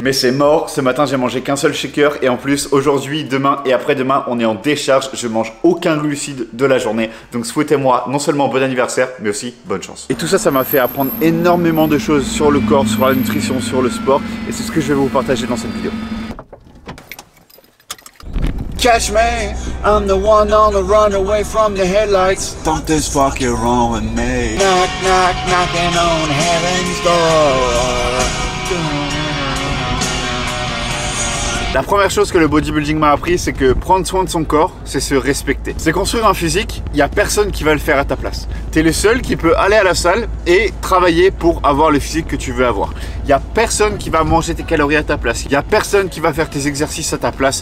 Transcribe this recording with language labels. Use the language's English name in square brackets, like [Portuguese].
[French] Mais c'est mort, ce matin j'ai mangé qu'un seul shaker. Et en plus, aujourd'hui, demain et après-demain, on est en décharge. Je mange aucun glucide de la journée. Donc souhaitez-moi non seulement bon anniversaire, mais aussi bonne chance. Et tout ça, ça m'a fait apprendre énormément de choses sur le corps, sur la nutrition, sur le sport. Et c'est ce que je vais vous partager dans cette vidéo. [English] Catch me, I'm the one on the run away from the headlights. Don't this fuck you wrong with me. Knock, knock, knocking on heaven's door. [French] La première chose que le bodybuilding m'a appris, c'est que prendre soin de son corps, c'est se respecter. C'est construire un physique, il n'y a personne qui va le faire à ta place. Tu es le seul qui peut aller à la salle et travailler pour avoir le physique que tu veux avoir. Il n'y a personne qui va manger tes calories à ta place. Il n'y a personne qui va faire tes exercices à ta place.